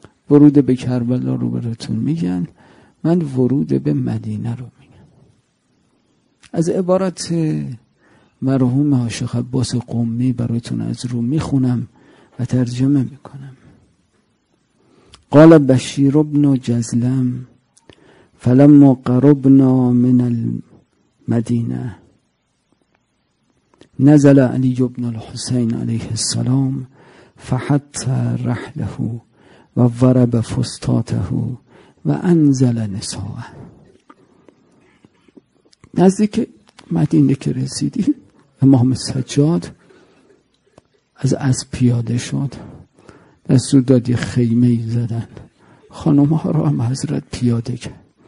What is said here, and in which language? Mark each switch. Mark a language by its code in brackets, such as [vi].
[fa] ورود به کربلا رو براتون میگن، من ورود به مدینه رو میگم. از عبارت مرحوم عاشق عباس قمی براتون از رو میخونم و ترجمه میکنم. [ar] قال بشیر بن جزلم فلما قربنا من المدينة نزل علي بن الحسين عليه السلام فحتى رحله وضرب فسطاته وانزل نساءه. [fa] نزدیک که مدینه که رسیدی امام سجاد از اسب پیاده شد، دستور داد یه خیمه زدن، خانمها را هم حضرت پیاده کرد.